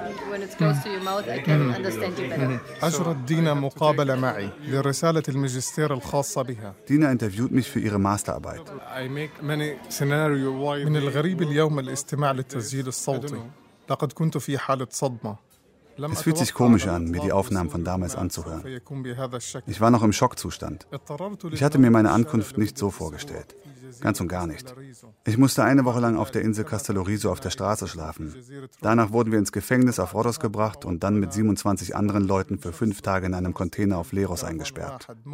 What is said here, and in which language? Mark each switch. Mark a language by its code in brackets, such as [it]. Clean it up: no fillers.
[en] When it's close to your mouth, I can understand you better. [de] Dina interviewt mich für ihre Masterarbeit. [en] I make many scenario why [ar] من الغريب اليوم الاستماع للتسجيل الصوتي. لقد كنت في حالة صدمة. [de] Es fühlt sich komisch an, mir die Aufnahmen von damals anzuhören. Ich war noch im Schockzustand. Ich hatte mir meine Ankunft nicht so vorgestellt. Ganz und gar nicht. Ich musste eine Woche lang auf der Insel Castello Riso auf der Straße schlafen. Danach wurden wir ins Gefängnis auf Rhodos gebracht und dann mit 27 anderen Leuten für 5 Tage in einem Container auf Leros eingesperrt.